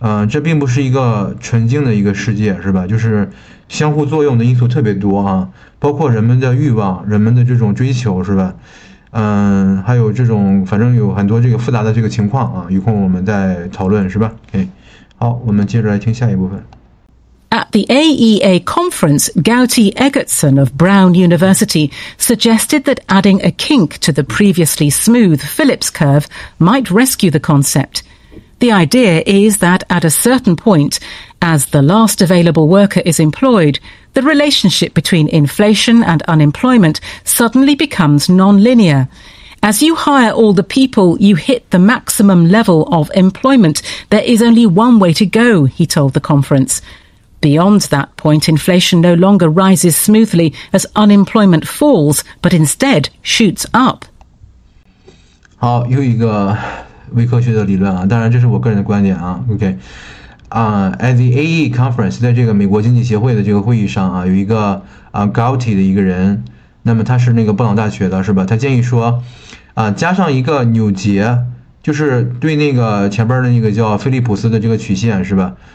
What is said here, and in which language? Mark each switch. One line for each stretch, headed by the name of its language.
Chinese: 这并不是一个纯净的一个世界，是吧？就是相互作用的因素特别多啊，包括人们的欲望、人们的这种追求，是吧？还有这种，反正有很多这个复杂的这个情况啊，有空我们再讨论，是吧？OK，好，我们接着来听下一部分。
English: At the AEA conference, Gauti Egertsen of Brown University suggested that adding a kink to the previously smooth Phillips curve might rescue the concept. The idea is that at a certain point, as the last available worker is employed, the relationship between inflation and unemployment suddenly becomes non-linear. As you hire all the people, you hit the maximum level of employment. There is only one way to go, he told the conference. Beyond that point, inflation no longer rises smoothly as unemployment falls, but instead shoots up.
Chinese: 好，又一个伪科学的理论啊，当然这是我个人的观点啊。 OK，
English: at the AE conference，
Chinese: 在这个美国经济协会的这个会议上啊，有一个Gauti 的一个人，那么他是那个布朗大学的，是吧？他建议说，加上一个纽结，就是对那个前边的那个叫菲利普斯的这个曲线，是吧？